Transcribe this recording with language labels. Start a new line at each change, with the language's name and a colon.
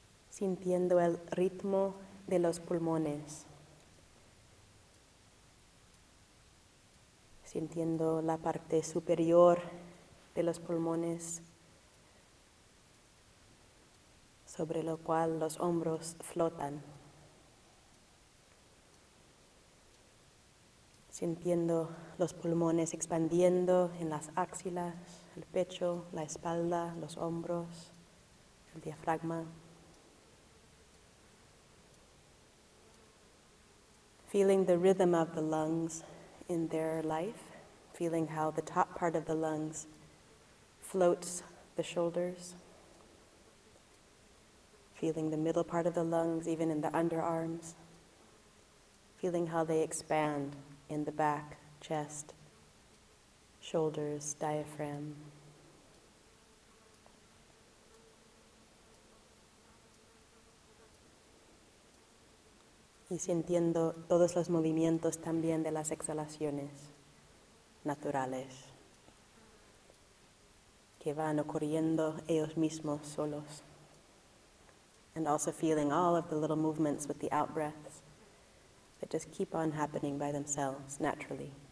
Spanish: Sintiendo el ritmo de los pulmones, sintiendo la parte superior de los pulmones, sobre lo cual los hombros flotan, sintiendo los pulmones expandiendo en las axilas, el pecho, la espalda, los hombros, el diafragma.
English: Feeling the rhythm of the lungs in their life, feeling how the top part of the lungs floats the shoulders, feeling the middle part of the lungs, even in the underarms, feeling how they expand in the back, chest, shoulders, diaphragm.
Spanish: Y sintiendo todos los movimientos también de las exhalaciones naturales que van ocurriendo ellos mismos solos
English: and also feeling all of the little movements with the out-breaths that just keep on happening by themselves naturally.